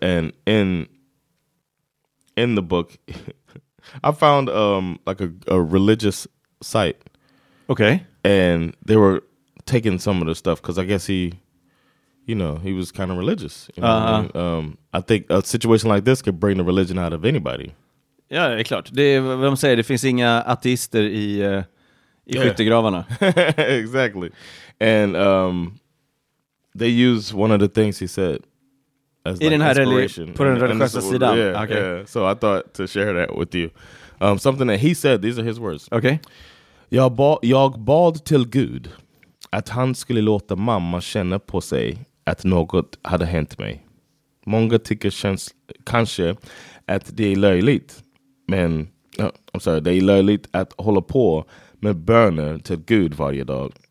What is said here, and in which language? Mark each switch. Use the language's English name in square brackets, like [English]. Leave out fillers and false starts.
[English] And in the book, I found like a religious site. Okay. And they were taking some of the stuff because I guess he, you know, he was kind of religious. You know, uh-huh. I think a situation like this could bring the religion out of anybody. [Swedish] Ja, det är klart. Det är vad de säger. Det finns inga ateister i skyttegravarna. [English] Exactly. And they use one of the things he said [Swedish] as like inspiration. På den religiösa sidan. [English] Yeah, okay. Yeah. So I thought to share that with you. Something that he said, these are his words. Okay. [Swedish] Jag bad till Gud att han skulle låta mamma känna på sig att något hade hänt mig. Många tycker kanske att det är löjligt. Men, I'm sorry, det är löjligt att hålla på med böner till Gud varje dag.